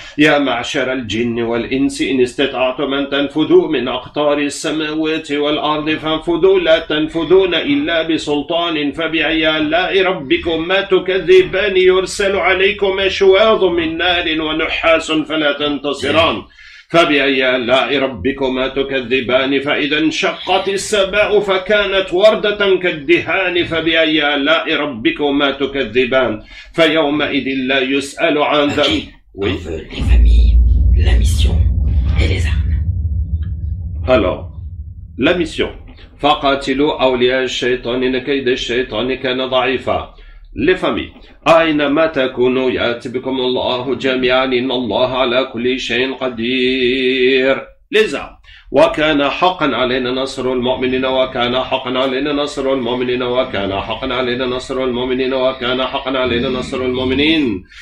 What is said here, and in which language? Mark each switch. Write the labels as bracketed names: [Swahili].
[Arabic] يا معشر الجن والإنس إن استطعتم أن تنفذوا من أقطار السماوات والأرض فانفذوا لا تنفذون إلا بسلطان فبأي آلاء ربكما تكذبان يرسل عليكم أشواظ من نار ونحاس فلا تنتصران فبأي آلاء ربكما تكذبان فإذا انشقت السماء فكانت وردة كالدهان فبأي آلاء ربكما تكذبان فيومئذ لا يسأل عن ذنب okay. [French] On veut les familles, la mission et les armes. Alors, la mission. [Arabic] فقاتلوا أولياء الشيطان إن كيد الشيطان كان ضعيفا. [French] Les familles. [Arabic] أينما تكونوا يأتي بكم الله جميعا إن الله على كل شيء قدير. لذا وكان حقا علينا نصر المؤمنين وكان حقا علينا نصر المؤمنين وكان حقا علينا نصر المؤمنين وكان حقا علينا نصر المؤمنين.